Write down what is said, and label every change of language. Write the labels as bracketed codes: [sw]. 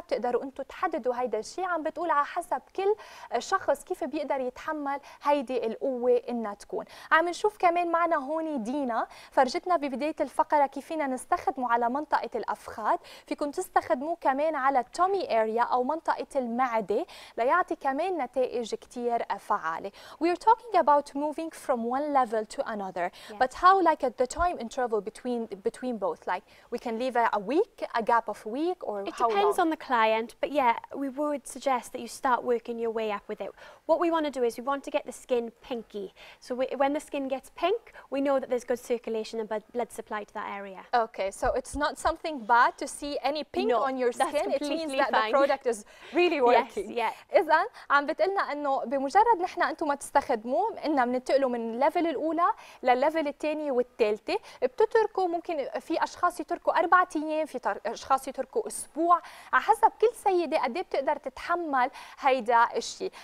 [ar] بتقدروا انتم تحددوا هيدا الشيء عم بتقول على حسب كل شخص كيف بيقدر يتحمل هيدي القوه انها تكون. عم نشوف كمان معنا هون دينا، فرجتنا ببدايه الفقره كيف فينا نستخدمه على منطقه الافخاد، فيكم تستخدموه كمان على [en] التومي اريا [ar] او منطقه المعده ليعطي كمان نتائج كثير فعاله. [en] We are talking about moving from one level to another. Yes. But how like at the time interval between both, like we can leave a week, a gap of a week. It depends on the client, but yeah, we would suggest that you start working your way up with it. What we want to do is we want to get the skin pinky. So when the skin gets pink, we know that there's good circulation and blood supply to that area. Okay, so it's not something bad to see any pink no, on your skin. It means that the product is really working. Yes, yeah. [ar] إذن عم بتقلنا أنه بمجرد نحن أنتم ما تستخدموه إننا بننتقلوا من الليفل الأولى للليفل الثاني والثالثة. بتتركوا ممكن في أشخاص يتركوا أربعة أيام، في أشخاص يتركوا أسبوع، على حسب كل سيدة قد ايه بتقدر تتحمل هيدا الشيء.